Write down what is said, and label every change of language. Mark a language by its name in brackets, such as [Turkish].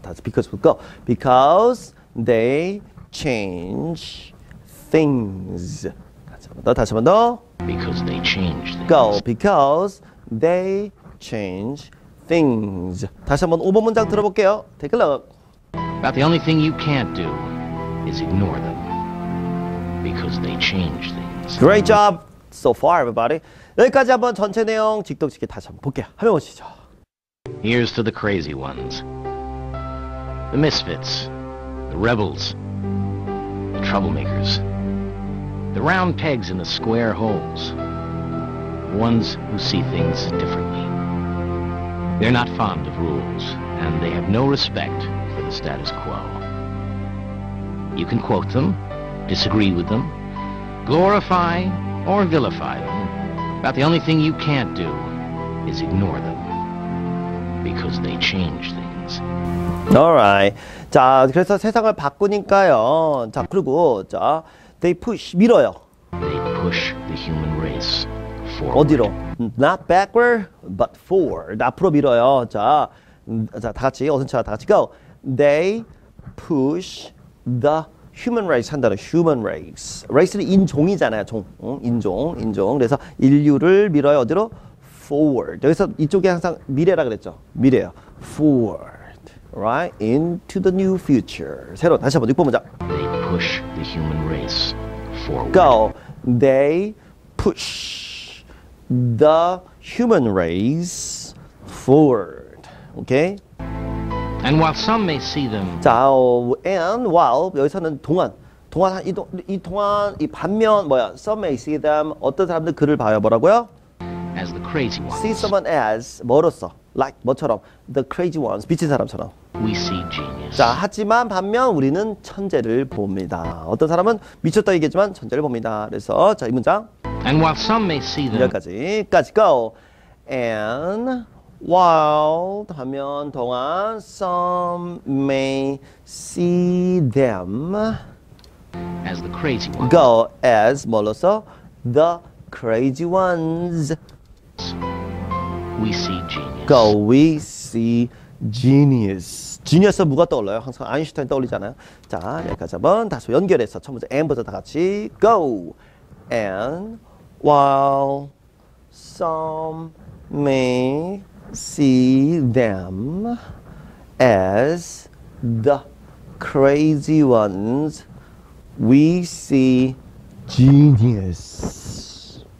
[English] That's because we go. Because they change things. [Korean] 다시 한 번 더. [English] Because they change things. Go. Because they change things. [Korean] 다시 한번 5번 문장 들어볼게요. [English] Take a look. About the only thing you can't do is ignore them. Because they change things. Great job so far, everybody. [Korean] 여기까지 한번 전체 내용 직독직게 다시 한번 볼게요. 한번 보시죠. [English] Here's to the crazy ones. The misfits. The rebels. The troublemakers. The round pegs in the square holes. The ones who see things differently. They're not fond of rules, and they have no respect for the status quo. You can quote them, disagree with them, glorify or vilify them. About the only thing you can't do is ignore them. Because they change things. Alright. [Korean] 자, 그래서 세상을 바꾸니까요. 자, 그리고 자, [English] they push, [Korean] 밀어요. [English] They push the human race forward. 어디로? Not backward, but forward. [Korean] 앞으로 밀어요. 자, 자, 다 같이, 어선차다 같이 go. [English] They push the human race 한다는 human race. [Korean] race는 인종이잖아요. 종. 응? 인종, 인종. 그래서 인류를 밀어요. 어디로? forward. 여기서 이쪽이 항상 미래라 그랬죠. [English] 미래요. forward. right into the new future. [Korean] 새로 다시 한번 읽어보자. [English] They push the human race forward. go. They push the human race forward. okay? And while some may see them. [Korean] 자, and while 여기서는 동안, 동안 이 동, 이 동안 이 반면 뭐야? [English] Some may see them. [Korean] 어떤 사람들 그를 봐요. 뭐라고요? [English] As the crazy ones. See someone as 뭐로서? Like 뭐처럼? The crazy ones. [Korean] 미친 사람처럼. We see genius. 자, 하지만 반면 우리는 천재를 봅니다. 어떤 사람은 미쳤다 얘기했지만 천재를 봅니다. 그래서 자, 이 문장. [English] And while some may see them. [Korean] 여기까지까지 go. [English] And while 하면 동안 some may see them as the crazy ones. go as 뭐로서? The crazy ones. We see genius. go we see genius. [Korean] 지니어스 누가 떠올라요? 항상 아인슈타인 떠올리잖아요. 자, 여기까지 한번 다시 연결해서 첫 번째 and 버전 다 같이 go. [English] and while some may see them as the crazy ones, we see genius.